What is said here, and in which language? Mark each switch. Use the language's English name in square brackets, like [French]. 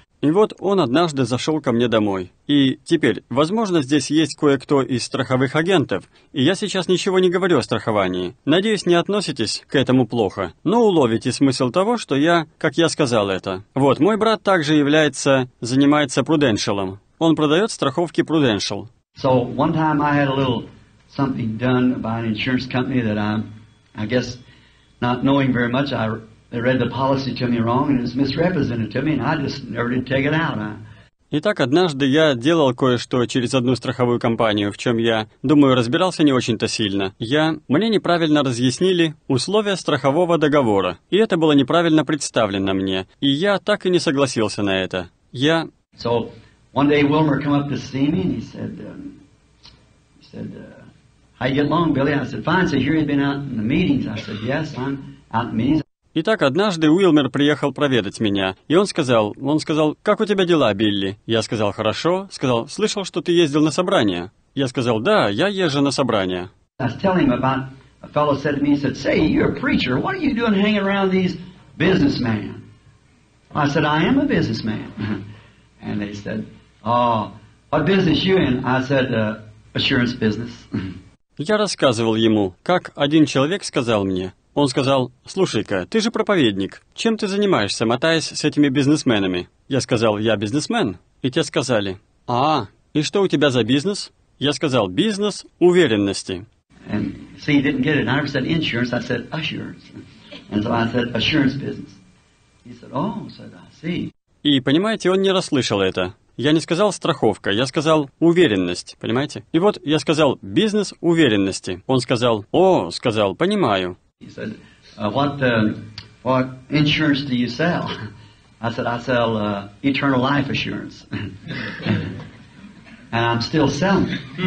[Russian] И вот он однажды зашел ко мне домой. И теперь, возможно, здесь есть кое-кто из страховых агентов, и я сейчас ничего не говорю о страховании. Надеюсь, не относитесь к этому плохо, но уловите смысл того, что я, как я сказал это. Вот, мой брат также занимается Prudential. Он продает страховки Prudential. [English] So, one time I had a little something done by an insurance company that I guess, not knowing very much, They read the policy to me wrong, and it's misrepresented to me, and I just never did take it out. [Russian] Итак, однажды я делал кое-что через одну страховую компанию, в чем я, думаю, разбирался не очень-то сильно. Мне неправильно разъяснили условия страхового договора, и это было неправильно представлено мне, и я так и не согласился на это. [English] So one day Wilmer came up to see me, and he said, "How you get along, Billy?" I said, "Fine." So here he'd been out in the meetings. I said, "Yes, I'm out in the meetings." [Russian] Итак, однажды Уилмер приехал проведать меня, и он сказал, «Как у тебя дела, Билли?» Я сказал, «Хорошо». Сказал, «Слышал, что ты ездил на собрание». Я сказал, «Да, я езжу на собрание». [English] I was telling him about a fellow said to me, he said, «Say, you're a preacher, what are you doing hanging around these businessmen?» I said, «I am a businessman». And they said, «Oh, what business you in?» I said, «Assurance business». [Russian] Я рассказывал ему, как один человек сказал мне, Он сказал, «Слушай-ка, ты же проповедник. Чем ты занимаешься, мотаясь с этими бизнесменами?» Я сказал, «Я бизнесмен». И те сказали, «А, и что у тебя за бизнес?» Я сказал, «Бизнес уверенности». [English] And so he didn't get it. I never said insurance, I said assurance. And so I said assurance business. He said, oh, so I see. [Russian] И, понимаете, он не расслышал это. Я не сказал «страховка», я сказал «уверенность», понимаете? И вот я сказал «бизнес уверенности». Он сказал, «О», сказал, «понимаю». [English] He said, what insurance do you sell? I said, I sell eternal life assurance. And I'm still selling.